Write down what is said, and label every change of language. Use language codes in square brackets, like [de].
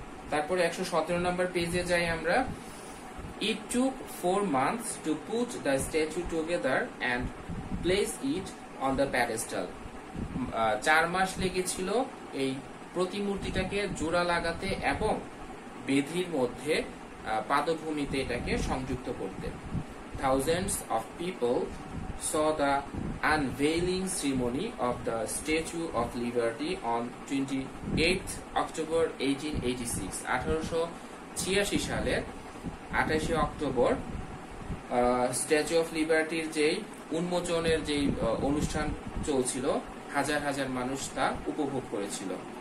[bn] তারপরে 117 নম্বর পেজে যাই আমরা। [en] it took 4 months to put the statue together and place it on the pedestal, [bn] 4 মাস লেগেছিল এই প্রতিমূর্তিটাকে জোড়া লাগাতে এবং বেদির মধ্যে পাদভূমিতে এটাকে সংযুক্ত করতে। The [en] thousands of people saw the unveiling ceremony of the Statue of Liberty on 28th October 1886. [bn] 1886 সালে 28শে অক্টোবর স্ট্যাচু অফ লিবার্টির যেই উন্মোচনের যেই অনুষ্ঠান চলছিল হাজার হাজার মানুষ তা উপভোগ করেছিল.